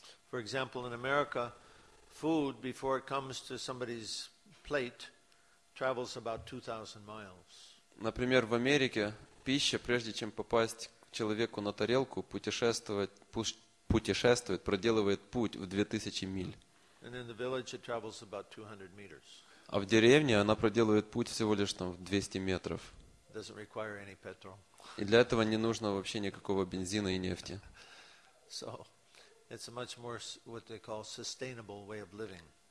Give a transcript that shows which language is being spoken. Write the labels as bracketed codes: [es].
[en] For example, in America, food before it comes to somebody's plate travels about 2,000 miles. [ru] Например, в Америке пища, прежде чем попасть к человеку на тарелку, путешествует, проделывает путь в 2000 миль. [en] And in the village it travels about 200 meters. [ru] А в деревне она проделывает путь всего лишь там в 200 метров. [en] Doesn't require any petrol. [ru] И для этого не нужно вообще никакого бензина и нефти. [en] So, it's a much more what they call sustainable way of living.